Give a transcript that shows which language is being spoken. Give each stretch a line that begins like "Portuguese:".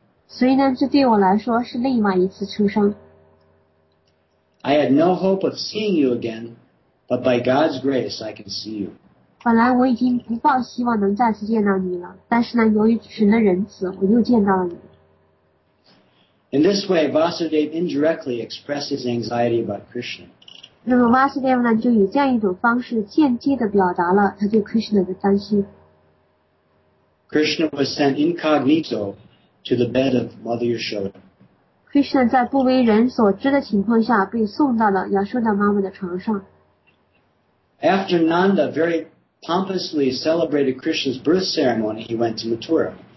Chinese: 所以呢，这对我来说是另外一次出生。I
English: had no hope of seeing you again, but by God's grace, I can see you.
Chinese: 本来我已经不抱希望能再次见到你了，但是呢，由于神的仁慈，我又见到了你。
English: In this way, Vasudev indirectly expressed his anxiety about Krishna.
Chinese: 那么Vasudev呢，就以这样一种方式间接地表达了他对Krishna的担心。
English: Krishna was sent incognito to the bed of Mother Yashoda.
Chinese: Krishna在不为人所知的情况下被送到了Yashoda妈妈的床上。
English: After Nanda very pompously celebrated Krishna's birth ceremony, he went to Mathura.